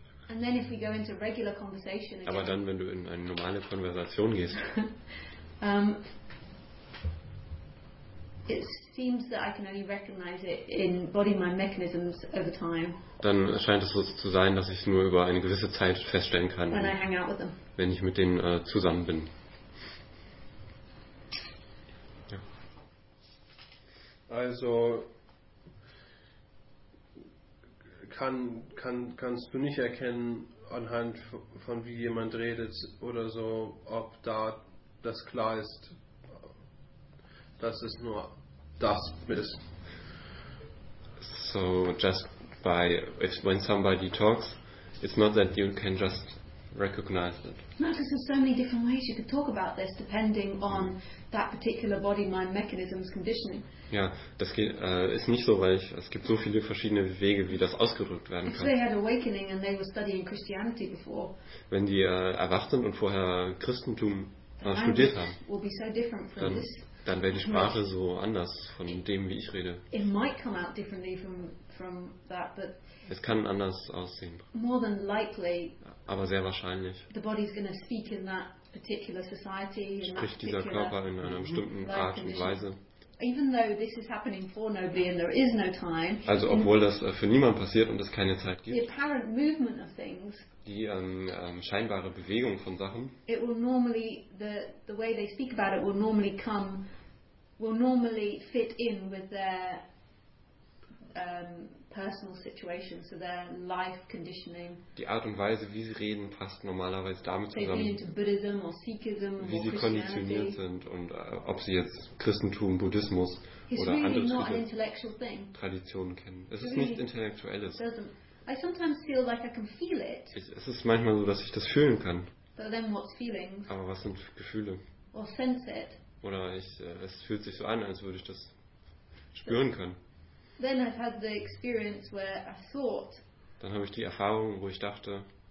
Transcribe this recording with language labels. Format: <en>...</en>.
<en>And then if we go into regular conversation again,</en> <de>aber dann, wenn du in eine normale Konversation gehst,</de> <en>it seems that I can only recognize it in body-mind mechanisms over time.</en> <de>Dann scheint es so zu sein, dass ich es nur über eine gewisse Zeit feststellen kann,</de> <en>when I hang out with them.</en> <de>Wenn ich mit denen zusammen bin. Ja. Also kannst du nicht erkennen anhand von wie jemand redet oder so, ob da das klar ist, dass es nur das ist.</de> <en>So just by if when somebody talks, it's not that you can just recognize it. No, because there's so many different ways you could talk about this, depending on that particular body-mind mechanism's conditioning.</en> <de>Ja, das geht, ist nicht so, weil es gibt so viele verschiedene Wege, wie das ausgedrückt werden kann.</de> <en>If they had awakening and they were studying Christianity before.</en> <de>Wenn die erwacht sind und vorher Christentum studiert haben.</de> <en>Will be so different from</en> <de>dann,</de> <en>this.</en> <de>Dann wäre die Sprache so anders von dem, wie ich rede.</de> <en>It might come out differently from that, but</en> <de>es kann anders aussehen.</de> <en>More than likely,</en> <de>aber sehr wahrscheinlich.</de> <en>The body's gonna speak in that particular society,</en> <de>spricht</de> <en>in that particular</en> <de>dieser Körper in einer bestimmten Art und Weise.</de> <en>Even though this is happening for nobody and there is no time.</en> <de>Also obwohl das für niemanden passiert und es keine Zeit gibt.</de> <en>The apparent movement of things.</en> <de>Die scheinbare Bewegung von Sachen.</de> <en>It will normally the way they speak about it will normally fit in with their personal situation, so their life conditioning.</en> <de>Die Art und Weise, wie sie reden, passt normalerweise damit zusammen.</de> <en>They've been into Buddhism or Sikhism,</en> <de>wie sie konditioniert sind und ob sie jetzt Christentum, Buddhismus oder andere Traditionen kennen. Es ist nicht intellektuelles.</de> <en>I sometimes feel like I can feel it.</en> <de>Es ist manchmal so, dass ich das fühlen kann.</de> <en>But then what's feelings?</en> <de>Aber was sind Gefühle?</de> <en>Or sense it.</en> <de>Oder es fühlt sich so an, als würde ich das spüren können.</de> <en>Then I've had the experience where I thought.</en> <de>Dann habe ich die Erfahrung, wo ich dachte.</de>